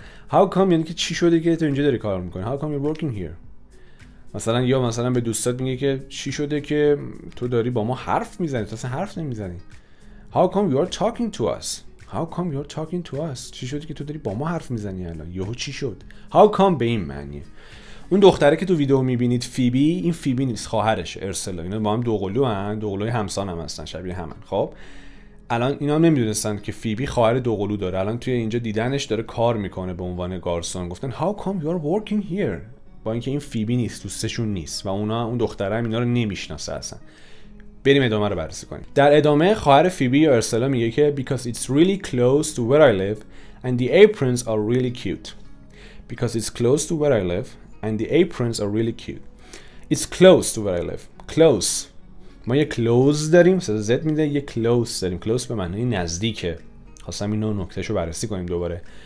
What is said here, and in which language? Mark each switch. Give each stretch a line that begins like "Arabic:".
English: How come
Persian: یعنی که چی شده که تو اینجا داری کار میکنی؟
English: How come you're working here؟
Persian: مثلا یا مثلا به دوستات میگه که چی شده که تو داری با ما حرف میزنی؟ تو اصلا حرف نمیزنی.
English: How come you're talking to us?
Persian: چی شد که تو داری با ما حرف میزنی الان؟ یهو چی شد؟
English: How come
Persian: به این معنی. اون دختره که تو ویدیو میبینید فیبی، این فیبی نیست، خواهرش ارسلا. اینا با هم دوقلوان، دوقلوی همسان هم هستن، شبیه همن. خب الان اینا نمیدونستن که فیبی خواهر دوقلو داره. الان توی اینجا دیدنش داره کار میکنه به عنوان گارسون. گفتن
English: How come you're working here؟
Persian: با اینکه این فیبی نیست، دوستشون نیست و اونا اون دختره هم اینا رو نمیشناسه اصلا. بریم ادامه رو بررسی کنیم. در ادامه خواهر فیبی یا ارسلا میگه که
English: Because it's really close to where I live and the aprons are really cute. Because it's close to where I live and the aprons are really cute. It's close to where I live. Close.
Persian: ما یه close داریم. صدا زد میده. یه close داریم. Close به معنی نزدیکه. خواستم اینو نکتهش رو بررسی کنیم دوباره.